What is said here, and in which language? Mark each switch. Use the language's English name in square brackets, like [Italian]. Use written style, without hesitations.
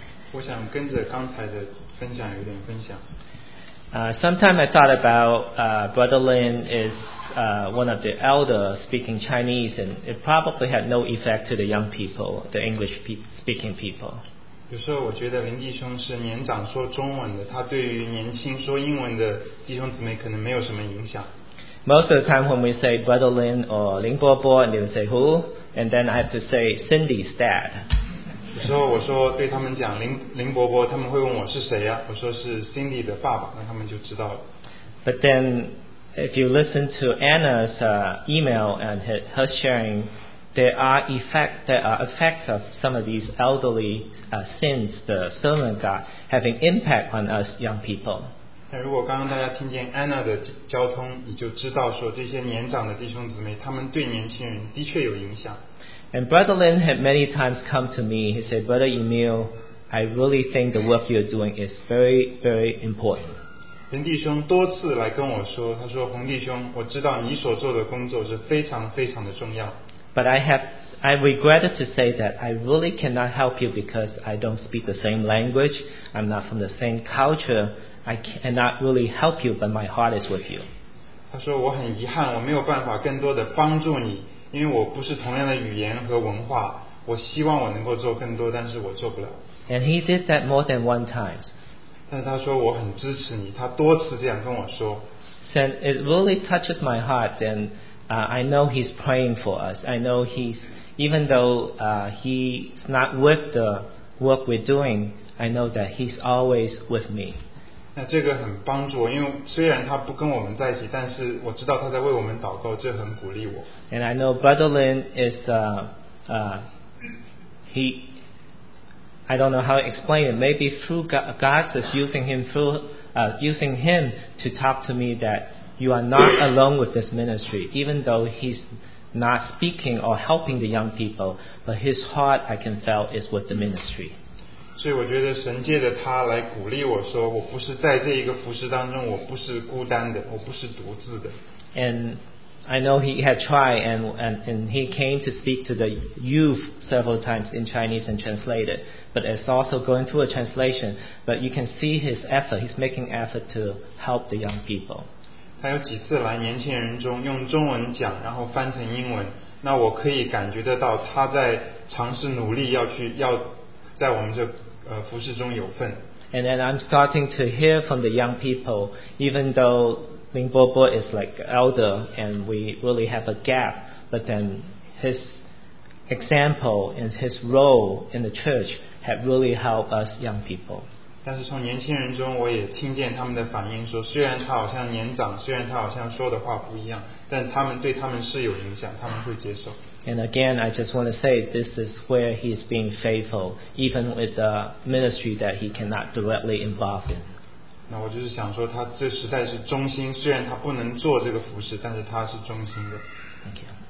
[Chinese] 我想跟着刚才的分享有点分享。 [English] Sometimes I thought about Brother Lin is one of the elder speaking Chinese, and it probably had no effect to the young people, the English speaking people. [Chinese] 有时候我觉得林弟兄是年长说中文的，他对于年轻说英文的弟兄姊妹可能没有什么影响。 [English] Most of the time when we say Brother Lin or Lin Bo Bo, and they would say who, and then I have to say Cindy's dad. [Chinese] 有时候我说对他们讲林伯伯，他们会问我是谁呀、啊？我说是 Cindy 的爸爸，那他们就知道了。 [English] But then, if you listen to Anna's email and her sharing, there are effects of some of these elderly sins the servant got having impact on us young people. [Chinese] 那如果刚刚大家听见 Anna 的交通，你就知道说这些年长的弟兄姊妹，他们对年轻人的确有影响。 [English] And Brother Lin had many times come to me. He said, Brother Emil, I really think the work you're doing is very, very important. [Chinese] 林弟兄多次来跟我说，他说，洪弟兄，我知道你所做的工作是非常非常的重要。 [English] But I regretted to say that I really cannot help you because I don't speak the same language. I'm not from the same culture. I cannot really help you, but my heart is with you. [Chinese] 他说，我很遗憾，我没有办法更多的帮助你。因为我不是同样的语言和文化，我希望我能够做更多，但是我做不了。 [English] And he did that more than one time. [Chinese] 但是他说我很支持你，他多次这样跟我说。 [English] And it really touches my heart, and I know he's praying for us. I know he's even though he's not with the work we're doing, I know that he's always with me. [Chinese] 那这个很帮助我，因为虽然他不跟我们在一起，但是我知道他在为我们祷告，这很鼓励我。 [English] And I know Brother Lin is I don't know how to explain it. Maybe through God is using him to talk to me that you are not alone with this ministry, even though he's not speaking or helping the young people, but his heart I can feel is with the ministry. [Chinese] 所以我觉得神借着他来鼓励我说，我不是在这一个服事当中，我不是孤单的，我不是独自的。 [English] And I know he had tried and he came to speak to the youth several times in Chinese and translated, but it's also going through a translation. But you can see his effort; he's making effort to help the young people. [Chinese] 他有几次来年轻人中用中文讲，然后翻成英文。那我可以感觉得到他在尝试努力要在我们这服事中有份。 [English] And then I'm starting to hear from the young people, even though Ling Bobo is like elder and we really have a gap, but then his example and his role in the church have really helped us young people. [Chinese] 但是从年轻人中我也听见他们的反应，说虽然他好像年长，虽然他好像说的话不一样，但他们对他们是有影响，他们会接受。 [English] And again, I just want to say this is where he is being faithful, even with the ministry that he cannot directly involve in. [Chinese] 那我就是想说他这实在是忠心，虽然他不能做这个服事，但是他是忠心的。 [English] Thank you.